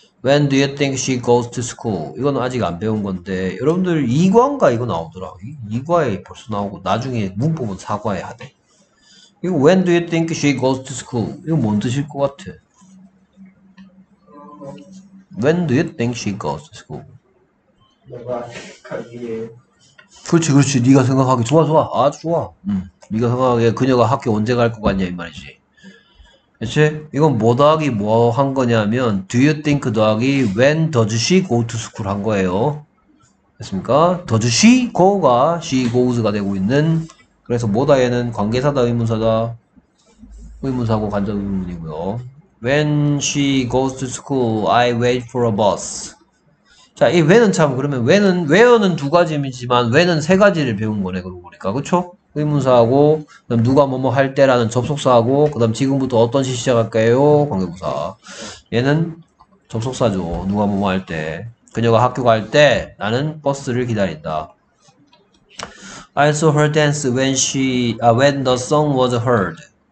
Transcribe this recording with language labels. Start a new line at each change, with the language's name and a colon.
English: When do you think she goes to school?
Korean: 이건 아직 안 배운 건데, 여러분들 2과인가 이거 나오더라. 2과에 벌써 나오고, 나중에 문법은 4과에 하대. 이거
English: When do you think she goes to school?
Korean: 이거 뭔 뜻일 것 같아?
English: When do you think she goes to school?
Korean: 뭐가 가기에 그렇지, 그렇지. 네가 생각하기 좋아, 좋아. 아주 좋아. 네가 생각하기에 그녀가 학교 언제 갈것 같냐, 이 말이지. 그치? 이건 뭐 더하기 뭐한 거냐면,
English: Do you think
Korean: 더하기
English: when does she go to school
Korean: 한 거예요. 됐습니까? Does she go가 she goes가 되고 있는, 그래서 뭐다 얘는 관계사다, 의문사다. 의문사고 간접 의문이고요.
English: When she goes to school, I wait for a bus.
Korean: 자, 이 when은 참, 그러면 when은, where는 두 가지지만, when은 세 가지를 배운 거네, 그러고 보니까. 그쵸? 의문사하고, 그다음 누가 뭐뭐 할 때라는 접속사하고, 그다음 지금부터 어떤 시 시작할까요? 관계부사. 얘는 접속사죠. 누가 뭐뭐 할 때. 그녀가 학교 갈 때, 나는 버스를 기다린다.
English: I saw her dance when she, when the song was heard.